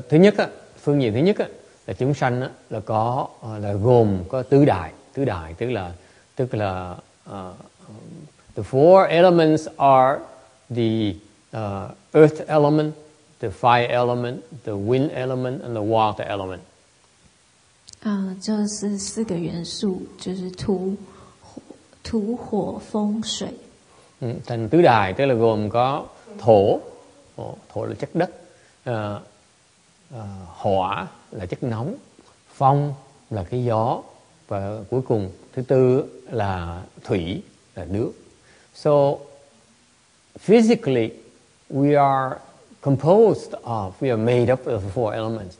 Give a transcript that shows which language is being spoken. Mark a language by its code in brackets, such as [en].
[zh] 第一个 [vi] phương diện thứ nhất là chúng sanh là có là gồm có tứ đại tức là [en] the four elements are the earth element, the fire element, the wind element, and the water element. [zh] 就是四个元素, 就是土火风水。 [vi] Thành tứ đài tức là gồm có thổ, thổ là chất đất, hỏa là chất nóng, phong là cái gió, và cuối cùng thứ tư là thủy, là nước. [en] So physically we are composed of, we are made up of four elements.